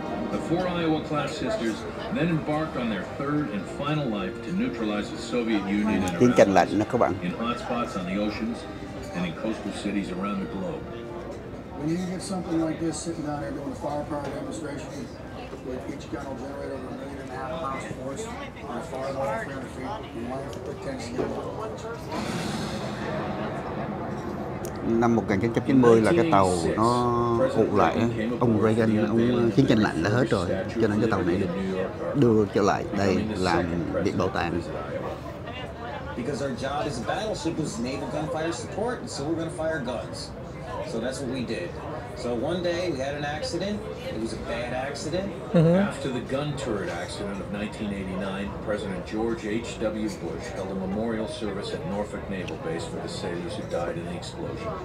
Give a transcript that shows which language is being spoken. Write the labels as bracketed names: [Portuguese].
[English] The four Iowa-class sisters then embarked on their third and final life to neutralize the Soviet Union and her allies in hotspots on the oceans and in coastal cities around the globe. When you get something like this sitting down here doing a firepower demonstration, with each gun will generate over 1.5 pounds of force on a far more 300 feet, you might have to put tanks together. [Vietnamese] Năm 1990 là cái tàu nó phụ lại, ông Reagan, ông chiến tranh lạnh đã hết rồi, cho nên cái tàu này được đưa trở lại đây làm viện bảo tàng. [English] Because our job as a battleship was naval gunfire support, and so we're going to fire guns. So that's what we did. So one day we had an accident. It was a bad accident. Mm-hmm. After the gun turret accident of 1989, President George H.W. Bush held a memorial service at Norfolk Naval Base for the sailors who died in the explosion.